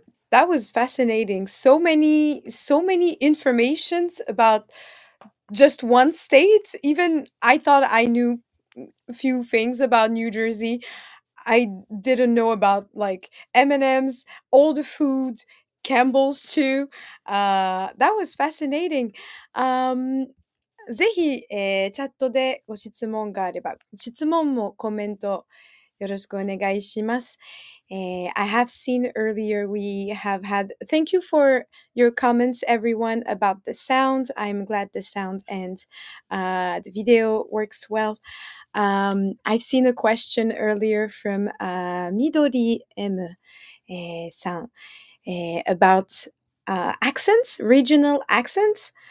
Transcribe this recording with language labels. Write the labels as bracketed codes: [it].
[en] That was fascinating. So many informations about just one state. Even I thought I knew a few things about New Jersey. I didn't know about like M&M's, all the food, Campbell's too. That was fascinating. [ja] ぜひ、チャットでご質問があれば、質問もコメントよろしくお願いします。 [en] I have seen earlier we have had, thank you for your comments everyone about the sound. I'm glad the sound and the video works well. I've seen a question earlier from Midori M san about accents, regional accents.